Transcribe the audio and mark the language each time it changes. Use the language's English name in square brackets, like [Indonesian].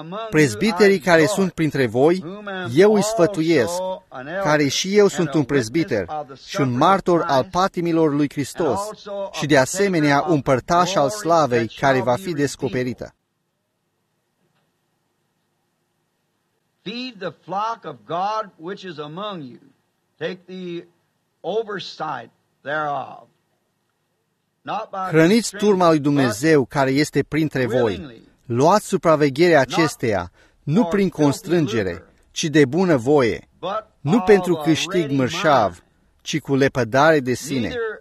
[Romanian] Prezbiterii care sunt printre voi, eu îi sfătuiesc, care și eu sunt un prezbiter și un martor al patimilor lui Hristos și de asemenea un părtaș al slavei care va fi descoperită. [English] Feed the flock of God which is among you. Take the oversight thereof. [Romanian] Hrăniți turma lui Dumnezeu care este printre voi. Luați supravegherea acesteia, nu prin constrângere, ci de bună voie, nu pentru câștig mărșav, ci cu lepădare de sine.